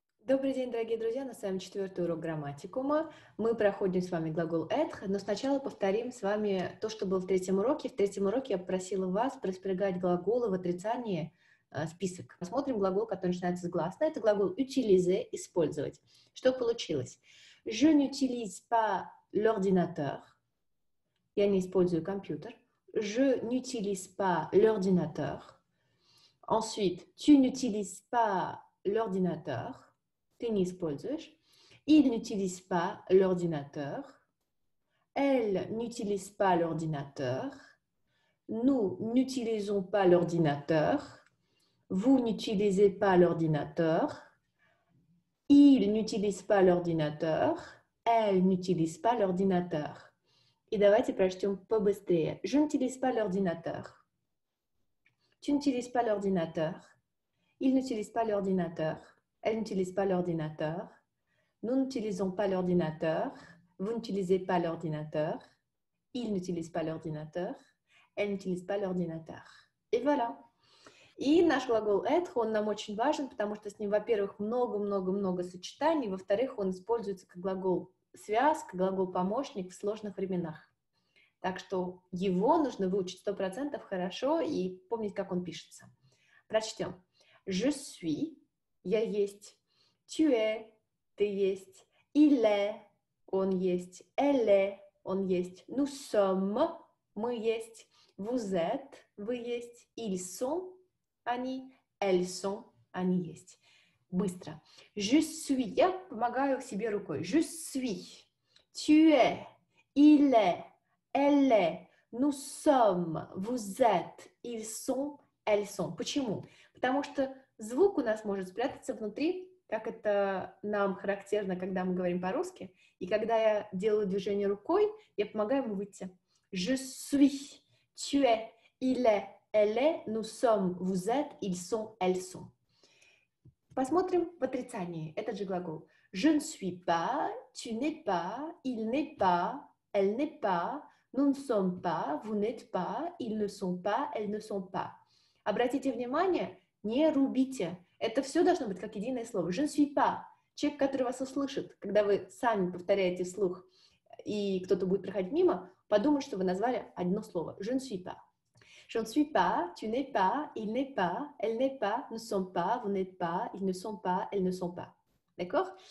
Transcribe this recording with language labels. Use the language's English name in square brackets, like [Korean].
[Russian] Добрый день, дорогие друзья! На своем четвертый урок грамматикума. Мы проходим с вами глагол être, но сначала повторим с вами то, что было в третьем уроке. В третьем уроке я попросила вас проспрягать глаголы в отрицании список. Посмотрим глагол, который начинается с гласной. Это глагол utiliser, использовать. Что получилось? [French] Je n'utilise pas l'ordinateur. [Russian] Я не использую компьютер. [French] Je n'utilise pas l'ordinateur. Ensuite, tu n'utilises pas l'ordinateur. [Russian] Ты не используешь. [French] Il n'utilise pas l'ordinateur. Elle n'utilise pas l'ordinateur. Nous n'utilisons pas l'ordinateur. Vous n'utilisez pas l'ordinateur. Il n'utilise pas l'ordinateur. Elle n'utilise pas l'ordinateur. [Russian] И давайте прочтем побыстрее. [French] Je n'utilise pas l'ordinateur. Tu n'utilises pas l'ordinateur. Il n'utilise pas l'ordinateur. Elle n'utilise pas l'ordinateur. Nous n'utilisons pas l'ordinateur. Vous n'utilisez pas l'ordinateur. Il n'utilise pas l'ordinateur. Elle n'utilise pas l'ordinateur. Et voilà. [Russian] И наш глагол être, он нам очень важен, потому что с ним, во-первых, много-много-много сочетаний, во-вторых, он используется как глагол связка, глагол-помощник в сложных временах. Так что его нужно выучить 100% хорошо и помнить, как он пишется. Прочтем. [French] Je suis. [Russian] Я есть. [French] Tu es. [Russian] Ты есть. [French] Il est. [Russian] Он есть. [French] Elle est. [Russian] Он есть. [French] Nous sommes. [Russian] Мы есть. [French] Vous êtes. [Russian] Вы есть. [French] Ils sont. [Russian] Они. [French] Elles sont. [Russian] Они есть. Быстро. [French] Je suis. [Russian] Я помогаю себе рукой. [French] Je suis. Tu es. Il est. Elle est. Nous sommes. Vous êtes. Ils sont. Elles sont. [Russian] Почему? Потому что звук у нас может спрятаться внутри, как это нам характерно, когда мы говорим по-русски. И когда я делаю движение рукой, я помогаю ему выйти. [French] Je suis, tu es, il est, elle est, nous sommes, vous êtes, ils sont, elles sont. [Russian] Посмотрим в отрицании этот же глагол. [French] Je ne suis pas, tu n'es pas, il n'est pas, elle n'est pas, nous ne sommes pas, vous n'êtes pas, ils ne sont pas, elles ne sont pas. [Russian] Обратите внимание, не рубите. Это все должно быть как единое слово. [French] Je ne suis pas. [Russian] Человек, который вас услышит, когда вы сами повторяете вслух, и кто-то будет проходить мимо, подумает, что вы назвали одно слово. [French] Je ne suis pas. Je ne suis pas. Tu n'es pas. Il n'est pas. Elle n'est pas. Nous ne sommes pas. Vous n'êtes pas. Ils ne sont pas. Elles ne sont pas. D'accord?